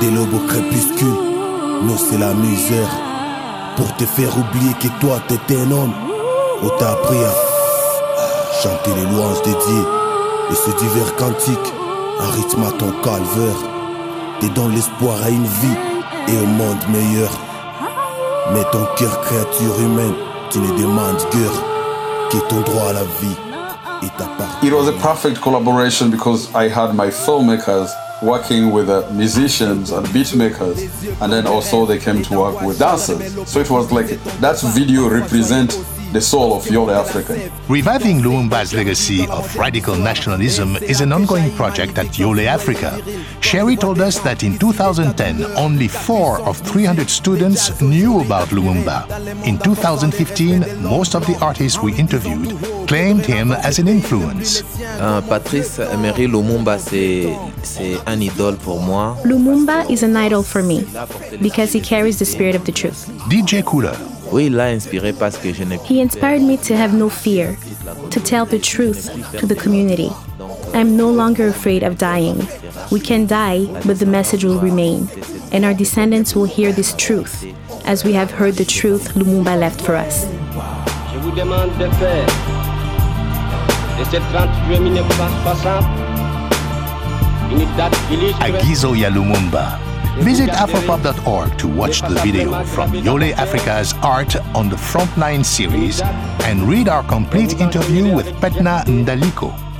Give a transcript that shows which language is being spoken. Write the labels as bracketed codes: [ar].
[fr] Des lobes au crépuscule, nous c'est la misère. Pour te faire oublier que toi t'étais un homme, on t'a appris à chanter les louanges dédiées et ce divers cantique, un rythme à ton calvaire. T'es dans l'espoir à une vie et au monde meilleur. Mais ton cœur créature humaine, tu ne demandes guère. [en] It was a perfect collaboration because I had my filmmakers working with the musicians and beat makers, and then also they came to work with dancers. So it was like that video represents the soul of Yole Africa. Reviving Lumumba's legacy of radical nationalism is an ongoing project at Yole Africa. Sherry told us that in 2010, only 4 of 300 students knew about Lumumba. In 2015, most of the artists we interviewed claimed him as an influence. [fr] Patrice Emery Lumumba, c'est un idole pour moi. [en] Lumumba is an idol for me because he carries the spirit of the truth. DJ Couleur. He inspired me to have no fear, to tell the truth to the community. I'm no longer afraid of dying. We can die, but the message will remain. And our descendants will hear this truth, as we have heard the truth Lumumba left for us. [fr] Je vous demande de faire de cette 38 minutes passant une date illustre. [sw] Agizo ya Lumumba. [en] Visit afropop.org to watch the video from Yole Africa's Art on the Frontline series and read our complete interview with Petna Ndaliko.